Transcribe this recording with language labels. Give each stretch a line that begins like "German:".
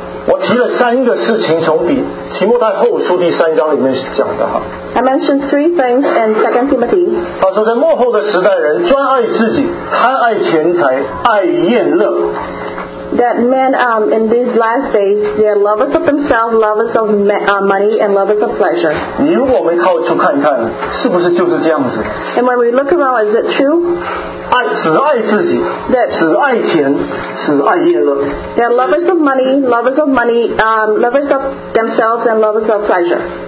Chinese: 我提了三个事情，从提摩太后书第三章里面讲的哈。
English: I mentioned three things in 2 Timothy.
Chinese: 他说，在末后的时代，人专爱自己，贪爱钱财，爱宴乐。
English: That men in these last days, they are lovers of themselves, lovers of money, and lovers of pleasure.
Chinese: 你如果我们靠出看看，是不是就是这样子？
English: And when we look around, is it true?
Chinese: 只爱自己，只爱钱，只爱宴乐。
English: They are lovers of money, lovers of money, lovers of themselves, and lovers of pleasure.